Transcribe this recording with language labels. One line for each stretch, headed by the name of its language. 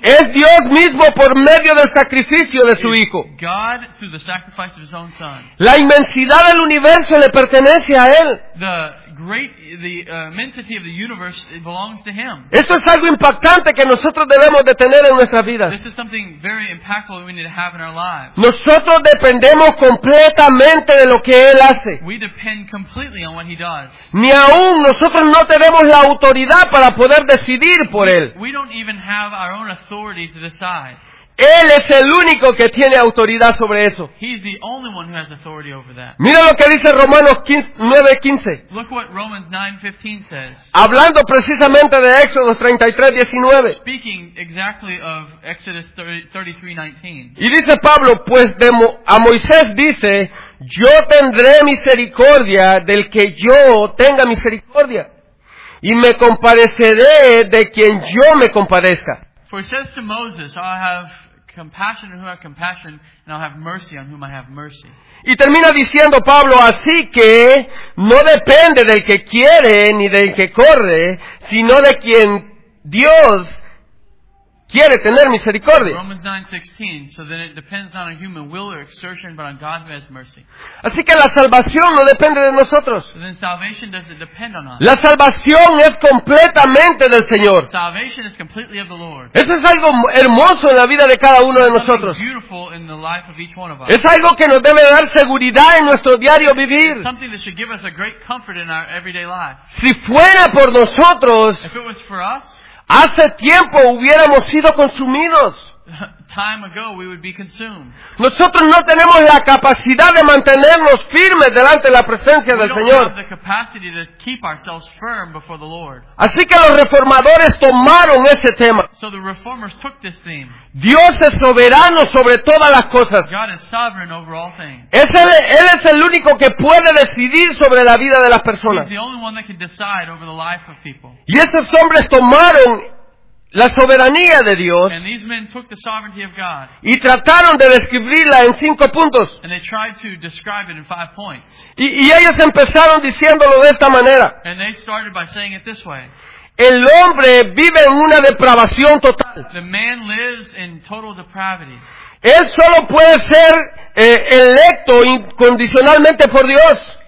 Spanish: es Dios mismo por medio del sacrificio de su Hijo.
English: God through the sacrifice of His own Son.
Spanish: La inmensidad del universo le pertenece a Él.
English: The immensity of the universe, it belongs to Him.
Spanish: Esto es algo impactante que nosotros debemos de tener en nuestras vidas.
English: This is something very impactful that we need to have in our lives.
Spanish: Nosotros dependemos completamente de lo que Él hace.
English: We depend completely on what He does.
Spanish: Ni aún nosotros no tenemos la autoridad para poder decidir por Él.
English: We don't even have our own authority to decide.
Spanish: Él es el único que tiene autoridad sobre eso.
English: He's the only one who has authority over that.
Spanish: Mira lo que dice Romanos 9:15.
English: Look what Romans 9:15 says.
Spanish: Hablando precisamente de Éxodo 33:19.
English: Speaking exactly of Exodus 33:19.
Spanish: Y dice Pablo, pues a Moisés dice, yo tendré misericordia del que yo tenga misericordia, y me compadeceré de quien yo me compadezca.
English: For he says to Moses, I'll have compassion on whom I have compassion, and I'll have mercy on whom I have mercy.
Spanish: Y termina diciendo Pablo, así que no depende del que quiere ni del que corre, sino de quien Dios quiere tener misericordia.
English: Romans 9:16, so then it depends not on human will or exertion, but on God who has mercy.
Spanish: Así que la salvación no depende de nosotros.
English: So then salvation doesn't depend on us.
Spanish: La salvación es completamente del Señor.
English: Salvation is completely of the Lord.
Spanish: Eso es algo hermoso en la vida de cada uno de nosotros.
English: Beautiful in the life of each one of us.
Spanish: Es algo que nos debe dar seguridad en nuestro diario vivir.
English: It's something that should give us a great comfort in our everyday life.
Spanish: Si fuera por nosotros,
English: if it was for us,
Spanish: hace tiempo hubiéramos sido consumidos.
English: Time ago we would be consumed.
Spanish: Nosotros no tenemos la capacidad de mantenernos firmes delante de la presencia del Señor.
English: We don't have the capacity to keep ourselves firm before the Lord.
Spanish: Así que los reformadores tomaron ese tema.
English: So the reformers took this theme.
Spanish: Dios es soberano sobre todas las cosas.
English: God is sovereign over all things.
Spanish: Él es el único que puede decidir sobre la vida de las personas.
English: He's the only one that can decide over the life of people.
Spanish: Y esos hombres tomaron la soberanía de Dios,
English: and these men took the sovereignty of God,
Spanish: y trataron de describirla en cinco puntos.
English: And they tried to describe it in five points.
Spanish: Y ellos empezaron diciéndolo de esta manera.
English: And they started by saying it this way.
Spanish: El hombre vive en una depravación total.
English: The man lives in total depravity.
Spanish: Él solo puede ser electo incondicionalmente por Dios.